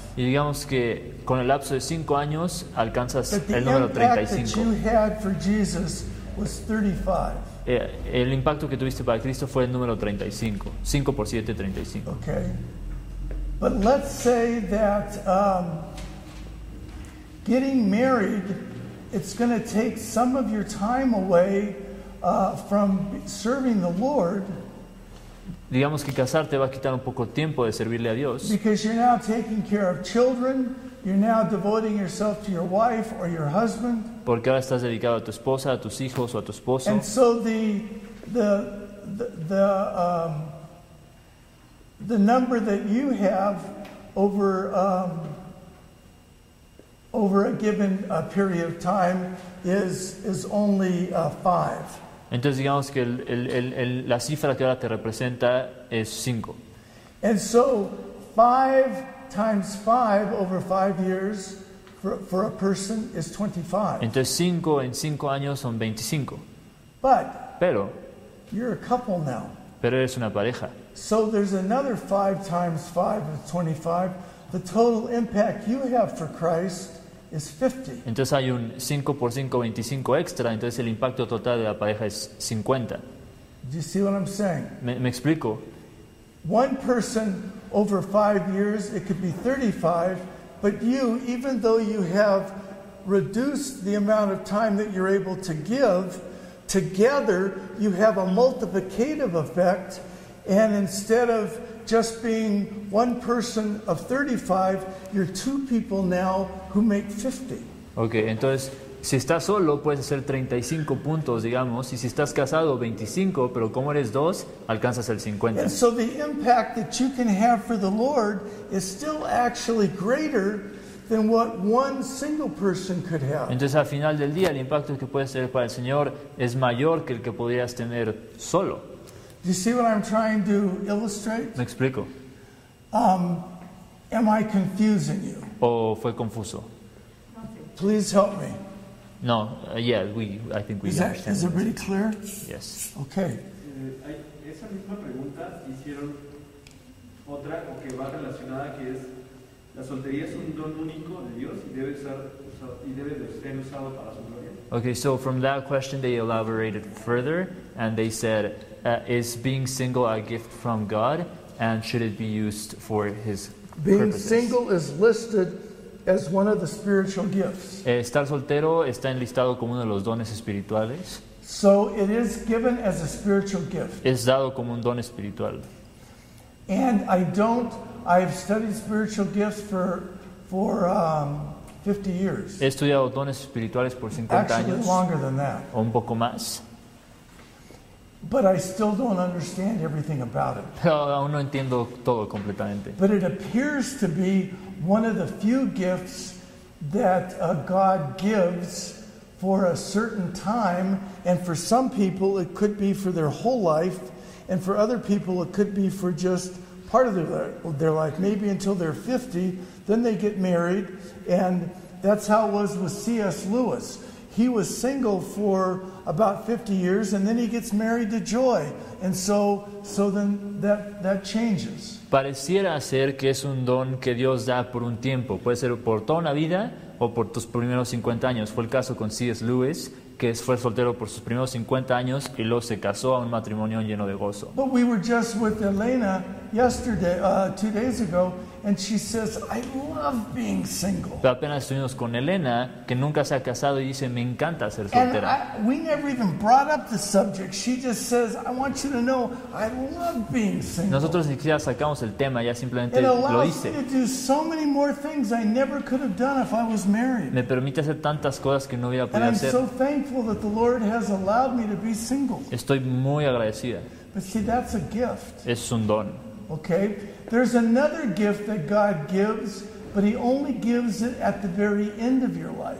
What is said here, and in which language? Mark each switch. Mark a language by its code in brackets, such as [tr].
[es] Y digamos que con el lapso de 5 años alcanzas el número 35. [en] That you had for Jesus was 35. [es] El impacto que tuviste para Cristo fue el número 35. 5 por 7, 35. [en] Okay. But let's say that getting married, it's going to take some of your time away from serving the Lord. [es] Digamos que casarte va a quitar un poco tiempo de servirle a Dios. [en] Because you're now taking care of children, you're now devoting yourself to your wife or your husband. [es] Porque ahora estás dedicado a tu esposa, a tus hijos o a tu esposo. [en] And so the number that you have over a given period of time is only five. [es] Entonces digamos que la cifra que ahora te representa es 5. [en] And so 5 times 5 over 5 years for a person is 25. [es] Entonces 5 en 5 años son 25. Pero [en] you're a couple now. [es] Pero eres una pareja. [en] So there's another 5 times 5 is 25. The total impact you have for Christ is 50. [es] Entonces hay un 5 por 5, 25 extra. Entonces el impacto total de la pareja es 50. [en] Do you see what I'm saying? [es] ¿Me explico? [en] One person over 5 years, it could be 35. But you, even though you have reduced the amount of time that you're able to give, together you have a multiplicative effect. And instead of just being one person of 35, you're two people now who make 50. [es] Okay, entonces Si estás solo, puedes hacer 35 puntos, digamos, y si estás casado, 25, pero como eres dos, alcanzas el 50. [en] And so the impact that you can have for the Lord is still actually greater than what one single person could have. [es] Entonces, al final del día, el impacto que puedes tener para el Señor es mayor que el que podrías tener solo. [en] Do you see what I'm trying to illustrate? [es] Me explico. [en] Am I confusing you? [es] ¿O fue confuso? [en] Please help me. No, I think we is that, understand. Is it pretty clear? Yes. Okay. [es] Esa misma pregunta hicieron otra o que va relacionada, que es la soltería es un don único de Dios y debe ser y debe de ser usado para su gloria. [en] Okay, so from that question they elaborated further and they said, is being single a gift from God and should it be used for his purposes? Being single is listed as one of the spiritual gifts. [es] Estar soltero está enlistado como uno de los dones espirituales. [en] So it is given as a spiritual gift. [es] Es dado como un don espiritual. [en] And I've studied spiritual gifts for 50 years. [es] He estudiado dones espirituales por 50 [en] Actually, [es] años. [en] Longer than that. [es] O un poco más. [en] But I still don't understand everything about it. [es] Pero aún no entiendo todo completamente. [en] But it appears to be one of the few gifts that God gives for a certain time, and for some people it could be for their whole life, and for other people it could be for just part of their life, maybe until they're 50, then they get married, and that's how it was with C.S. Lewis. He was single for about 50 years, and then he gets married to Joy, and so then that changes. [es] Pareciera ser que es un don que Dios da por un tiempo. Puede ser por toda una vida o por tus primeros 50 años. Fue el caso con C.S. Lewis, que fue soltero por sus primeros 50 años y luego se casó a un matrimonio lleno de gozo. [en] But we were just with Elena yesterday, 2 days ago, and she says, I love being single. [es] Pero apenas estuvimos con Elena, que nunca se ha casado, y dice, me encanta ser soltera. [en] We never even brought up the subject. She just says, I want you to know, I love being single. [es] Nosotros ni siquiera sacamos el tema, ya simplemente lo hice. [en] It allows me to do so many more things I never could have done if I was married. [es] Me permite hacer tantas cosas que no hubiera podido hacer. [en] And I'm so thankful that the Lord has allowed me to be single. [es] Estoy muy agradecida. [en] But see, that's a gift. [es] Es un don. [en] Okay? There's another gift that God gives, but he only gives it at the very end of your life.